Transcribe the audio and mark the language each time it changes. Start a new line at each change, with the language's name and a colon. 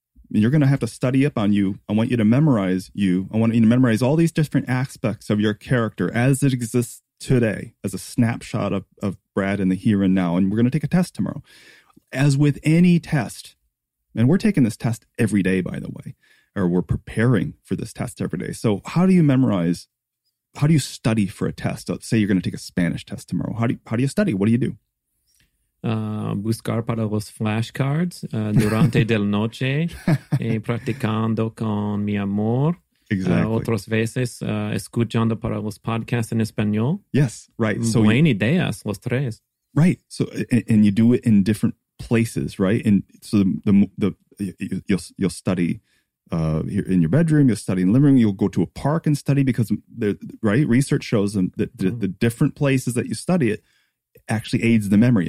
English: You're going to have to study up on you. I want you to memorize you. I want you to memorize all these different aspects of your character as it exists today, as a snapshot of Brad in the here and now. And we're going to take a test tomorrow. As with any test, and we're taking this test every day, by the way, or we're preparing for this test every day. So how do you study for a test? Let's say you're going to take a Spanish test tomorrow. How do you study? What do you do?
Spanish: Buscar para los flashcards durante del noche y practicando con mi amor.
English: Exactly.
Spanish: Otras veces escuchando para los podcasts en español.
English: Yes, right.
Spanish: So buen ideas, los tres.
English: Right. So and you do it in different places, right? And so you'll study here in your bedroom, you'll study in the living room, you'll go to a park and study because research shows them that the different places that you study it actually aids the memory.